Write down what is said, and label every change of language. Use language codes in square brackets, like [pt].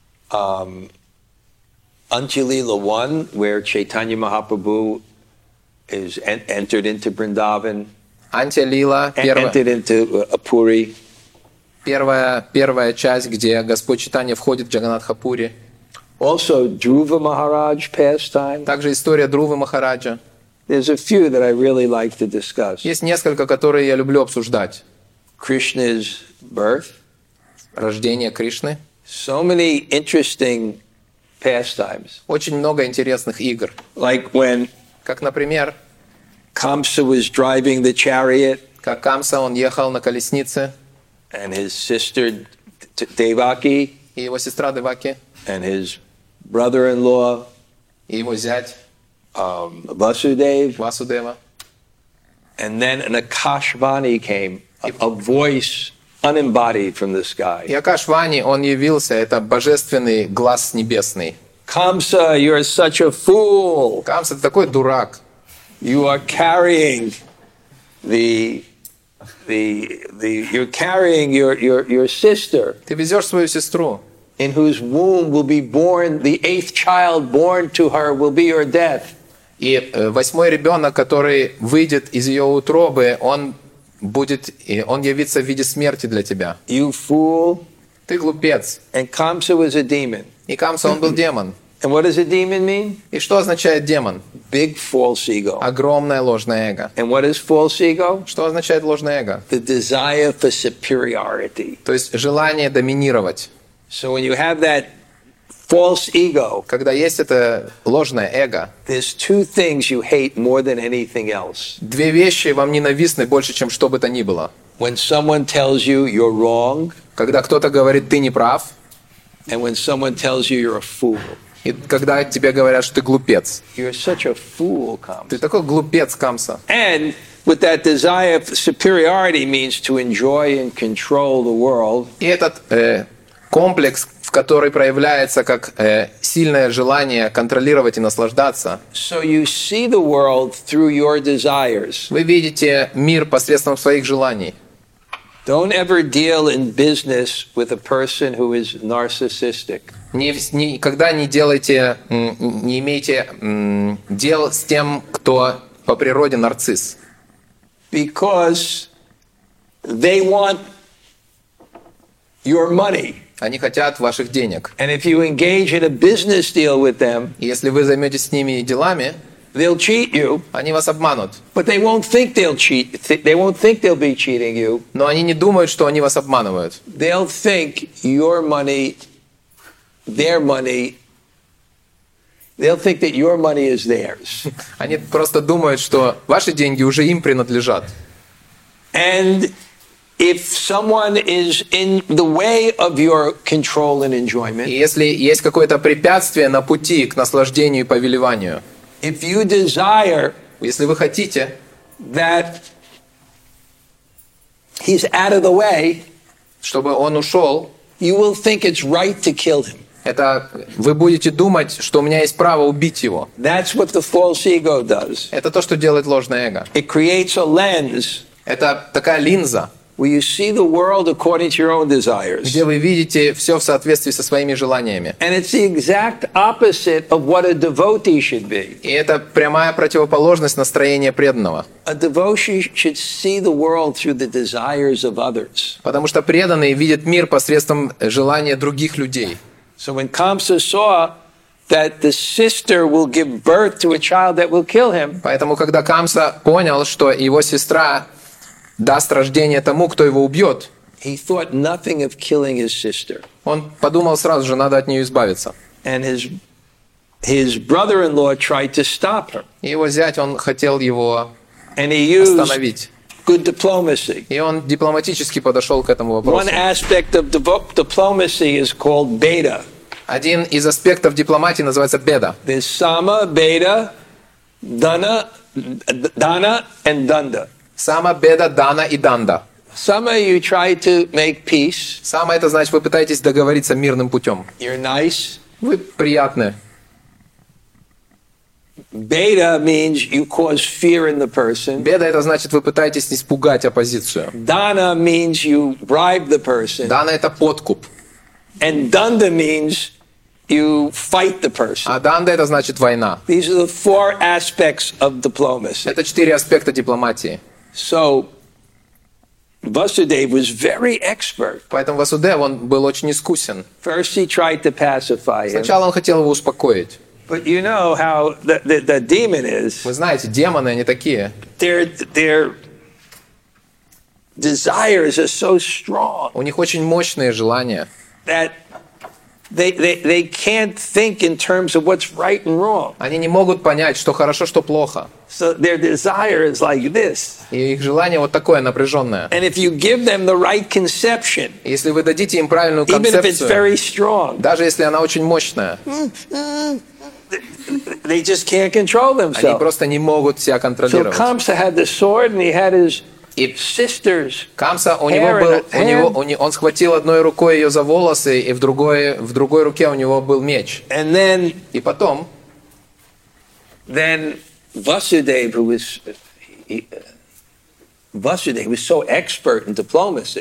[en] Anchalila 1, where Chaitanya Mahaprabhu is entered into Vrindavan. Anchalila 1. Entered into Puri. [ru] Первая часть, где Господь Чайтанья входит в Джаганнатхапури. [en] Also Dhruva Maharaj pastime. [ru] Также история Друвы Махараджа. [en] There's a few that I really like to discuss. [ru] Есть несколько, которые я люблю обсуждать. [en] Krishna's birth. [ru] Рождение Кришны. [en] So many interesting pastimes. [ru] Очень много интересных игр. [en] Like when, [ru] как, например, [en] Kamsa was driving the chariot. [ru] Как Камса, он ехал на колеснице. [en] And his sister Devaki. [ru] И его сестра Деваки. [en] And his brother-in-law. [ru] И его зять. [en] Vasudeva. And then an Akashvani came, a voice unembodied from the sky. [ru] И Акашвани, он явился, это божественный глаз небесный. [en] Камса, you are such a fool. [ru] Камса, ты такой дурак. [en] You are carrying the you're carrying your sister. [ru] Ты везёшь свою сестру. [en] In whose womb will be born the eighth child born to her will be your death. [ru] И восьмой ребенок, который выйдет из ее утробы, он явится в виде смерти для тебя. [en] You fool. [ru] Ты глупец. [en] And Kamsa was a demon. [ru] И Камса, он был демон. [en] And what does a demon mean? [ru] И что означает демон? [en] Big false ego. [ru] Огромное ложное эго. [en] And what is false ego? [ru] Что означает ложное эго? [en] The desire for superiority. [ru] То есть желание доминировать. [en] So when you have that false ego. [ru] Когда есть это ложное эго. [en] There's two things you hate more than anything else. [ru] Две вещи вам ненавистны больше, чем что бы то ни было. [en] When someone tells you you're wrong. [ru] Когда кто-то говорит, ты не прав. [en] And when someone tells you you're a fool. [ru] И когда тебе говорят, что ты глупец. [en] You're such a fool, Kamsa. [ru] Ты такой глупец, Камса. [en] And with that desire for superiority means to enjoy and control the world. [ru] И этот комплекс, в который проявляется как сильное желание контролировать и наслаждаться. [en] So you see the world through your desires. [ru] Вы видите мир посредством своих желаний. [en] Don't ever deal in business with a person who is narcissistic. [ru] Никогда не делайте, не имейте дел с тем, кто по природе нарцисс. [en] Because they want your money. [ru] Они хотят ваших денег. [en] And if you engage in a business deal with them, [ru] если вы займетесь с ними делами, [en] they'll cheat you. [ru] Они вас обманут. [en] But they won't think they'll cheat. They won't think they'll be cheating you. [ru] Но они не думают, что они вас обманывают. [en] They'll think your money, their money. They'll think that your money is theirs. [ru] Они просто думают, что ваши деньги уже им принадлежат. [en] And if someone is in the way of your control and enjoyment, [ru] если есть какое-то препятствие на пути к наслаждению и повелеванию, [en] if you desire, [ru] если вы хотите, [en] that he's out of the way, [ru] чтобы он ушел, [en] you will think it's right to kill him. [ru] Это вы будете думать, что у меня есть право убить его. [en] That's what the false ego does. [ru] Это то, что делает ложное эго. [en] It creates a lens. [ru] Это такая линза. [en] Where you see the world according to your own desires. [ru] Где вы видите все в соответствии со своими желаниями. [en] And it's the exact opposite of what a devotee should be. [ru] И это прямая противоположность настроения преданного. [en] A devotee should see the world through the desires of others. [ru] Потому что преданный видит мир посредством желания других людей. [en] So when Kamsa saw that the sister will give birth to a child that will kill him. [ru] Поэтому когда Камса понял, что его сестра даст рождение тому, кто его убьет. [en] He thought nothing of killing his sister. [ru] Он подумал сразу же, надо от нее избавиться. [en] And his brother-in-law tried to stop her. [ru] Его зять, он хотел его остановить. [en] Good diplomacy. [ru] И он дипломатически подошел к этому вопросу. [en] One aspect of diplomacy is called beta. [ru] Один из аспектов дипломатии называется беда. [en] There's sama, beta, dana, and danda. [ru] Сама, беда, дана и данда. [en] Sama, you try to make peace. [ru] Сама, это значит, вы пытаетесь договориться мирным путем. [en] You're nice. [ru] Вы приятны. [en] Beta means you cause fear in the person. [ru] Беда, это значит, вы пытаетесь испугать оппозицию. [en] Dana means you bribe the person. [ru] Дана, это подкуп. [en] And danda means you fight the person. [ru] А данда, это значит война. [en] These are the four aspects of diplomacy. [ru] Это четыре аспекта дипломатии. [en] So Vasudev was very expert. [ru] Поэтому Васудев, он был очень искусен. [en] First he tried to pacify him. [ru] Сначала он хотел его успокоить. [en] But you know how the demon is. [ru] Вы знаете, демоны, они такие. [en] Their desires are so strong. [ru] У них очень мощные желания. [en] That they can't think in terms of what's right and wrong. [ru] Они не могут понять, что хорошо, что плохо. [en] So their desire is like this. [ru] И их желание вот такое напряженное. [en] And if you give them the right conception, [ru] если вы дадите им правильную концепцию, [en] even if it's very strong, [ru] даже если она очень мощная, [en] they just can't control themselves. [ru] Они просто не могут себя контролировать. [en] So Kamsa had the sword and he had his sisters. [ru] Камса, у него был, он схватил одной рукой ее за волосы, и в другой руке у него был меч. [en] And then, [ru] и потом, [en] then Vasudev was so expert in diplomacy.